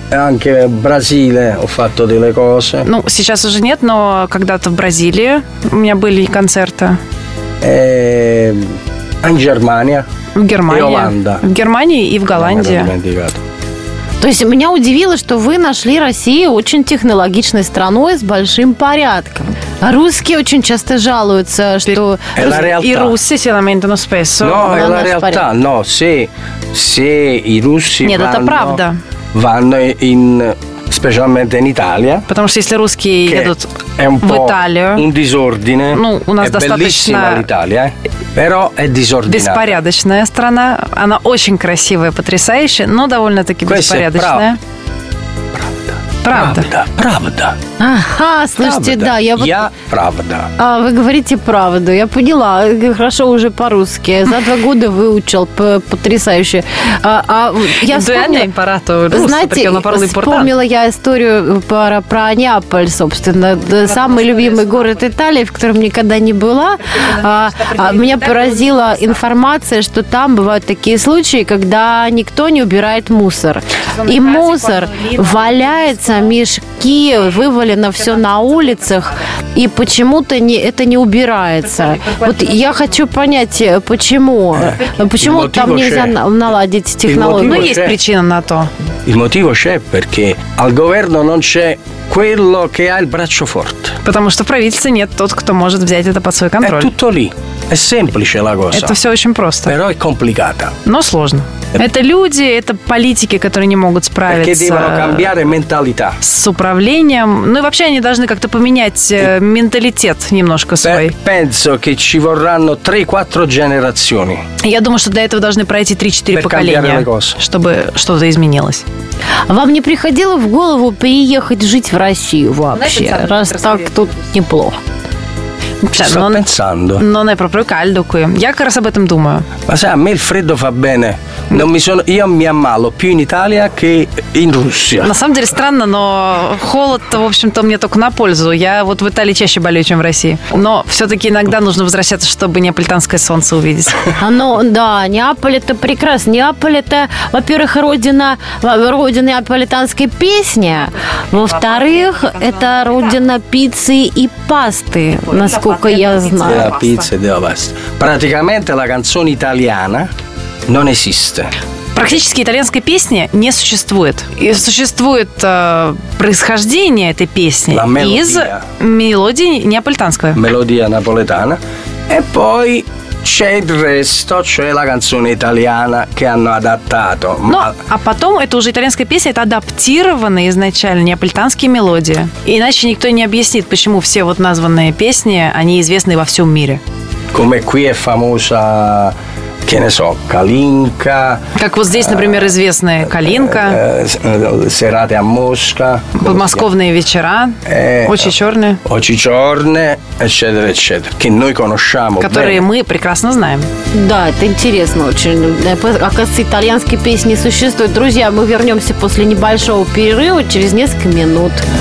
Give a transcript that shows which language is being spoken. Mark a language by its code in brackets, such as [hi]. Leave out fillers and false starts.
[it] Anche Brasile ho fatto delle cose. [ru] Ну, сейчас уже нет, но когда-то в Бразилии у меня были концерты. [it] In Germania. [ru] В Германии. И Оланда. В Германии и в Голландии. То есть меня удивило, что вы нашли Россию очень технологичной страной с большим порядком. А русские очень часто жалуются, что и русские [it] si lamentano spesso. No, è la realtà. No, sì. Sì, i russi. [ru] Нет, это правда. [it] Vanno in specialmente in Italia. [ru] Потому что если русские едут в Италию, [it] un disordine. [ru] Ну, у нас достаточно [it] Италия. Però è disordinata. [ru] Беспорядочная страна. Она очень красивая, потрясающая, но довольно-таки беспорядочная. [it] Questo è [ru] правда. Правда. Правда. Ага, слышите, правда. Да. Я, вот... я правда. А, вы говорите правду. Я поняла. Хорошо уже по-русски. За два года выучил. Потрясающе. Я вспомнила... Знаете, вспомнила я историю про Неаполь, собственно. Самый любимый город Италии, в котором никогда не была. Меня поразила информация, что там бывают такие случаи, когда никто не убирает мусор. И мусор валяется, мешки вывалено все на улицах, и почему-то не, это не убирается. Вот я хочу понять, почему. Почему там нельзя наладить технологию? Ну, есть причина на то. [it] Il motivo c'è perché al governo non c'è quello che ha il braccio forte. [ru] Потому что в правительстве нет тот, кто может взять это под свой контроль. [it] È tutto lì. È semplice la cosa. [ru] Это все очень просто. [it] Però è complicata. [ru] Но сложно. Это люди, это политики, которые не могут справиться с управлением. Ну и вообще они должны как-то поменять менталитет немножко свой. [it] Penso che ci vorranno 3-4 generazioni. [ru] Я думаю, что для этого должны пройти 3-4 поколения, чтобы что-то изменилось. Вам не приходило в голову переехать жить в Россию вообще? Раз так, тут неплохо. [it] Sto pensando. Non è proprio caldo qui. [ru] Я как раз об этом думаю. [it] Ma sai, a me il freddo fa bene. Non mi sono, io mi ammalo più in Italia che in Russia. [ru] На самом деле странно, но холод, в общем-то, мне только на пользу. Я вот в Италии чаще болею, чем в России. Но все-таки иногда нужно возвращаться, чтобы неаполитанское солнце увидеть. А ну да, Неаполь это прекрасно. Неаполь это, во-первых, родина неаполитанской песни, во-вторых, это родина пиццы и пасты. Сколько я знаю. Да, пицца, да, паста. Практически [it] la canzone italiana non esiste. [ru] Практически итальянской песни не существует. И существует происхождение этой песни из мелодии неаполитанской. Мелодия наполитана. [it] E poi c'è il resto, cioè la canzone italiana che hanno adattato. [ru] Но, а потом это уже итальянская песня, это адаптированные изначально неаполитанские мелодии. Иначе никто не объяснит, почему все вот названные песни, они известны во всем мире. [it] Come qui è famosa, che ne so, Калинка. [ru] Как вот здесь, например, известная Калинка. [it] Serate a Mosca. [ru] Подмосковные вечера. Очи черные. [it] Очи черные. Eccetera, eccetera. Che noi conosciamo. [ru] Которые мы прекрасно знаем. Да, это интересно очень. Оказывается, итальянские песни существуют. Друзья, мы вернемся после небольшого перерыва через несколько минут.